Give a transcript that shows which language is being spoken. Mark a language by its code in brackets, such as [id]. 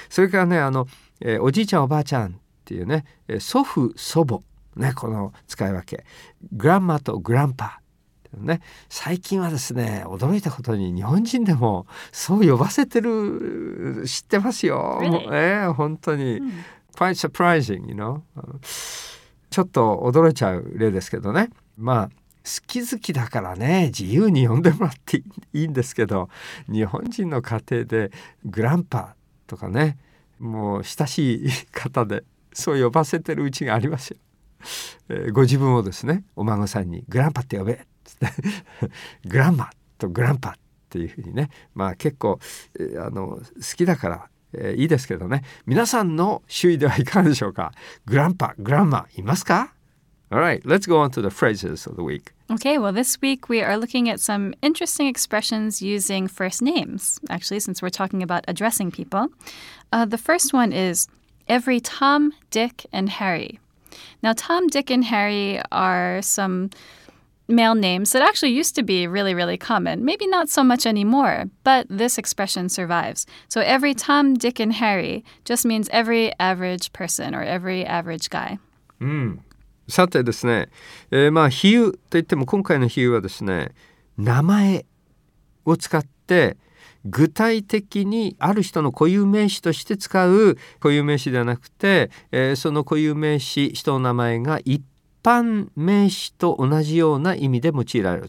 [ja] それからね、おじいちゃんおばあちゃんっていうね、祖父祖母ね、この使い分け、グランマとグランパってね、最近はですね、驚いたことに日本人でもそう呼ばせてる、知ってますよ、 [en] really? [ja] 本当に、 [en] quite surprising, you know? [ja] ちょっと驚いちゃう例ですけどね。まあ好き好きだからね、自由に呼んでもらっていいんですけど、日本人の家庭でグランパとかね、もう親しい方でそう呼ばせてるうちがありますよ。ご自分をですね、お孫さんにグランパって呼べってグランマとグランパっていうふうにね、まあ結構好きだから、いいですけどね。皆さんの周囲ではいかがでしょうか。グランパ、グランマいますか。 [en] All right, let's go on to the phrases of the week. Okay, well, this week we are looking at some interesting expressions using first names, actually, since we're talking about addressing people. The first one is every Tom, Dick, and Harry. Now, Tom, Dick, and Harry are some male names that actually used to be really, really common. Maybe not so much anymore, but this expression survives. So every Tom, Dick, and Harry just means every average person or every average guy. Hmm. [ja] さてですね、まあ比喩といっても今回の比喩はですね、名前を使って具体的にある人の固有名詞として使う固有名詞ではなくて、その固有名詞、人の名前が一般名詞と同じような意味で用いられる。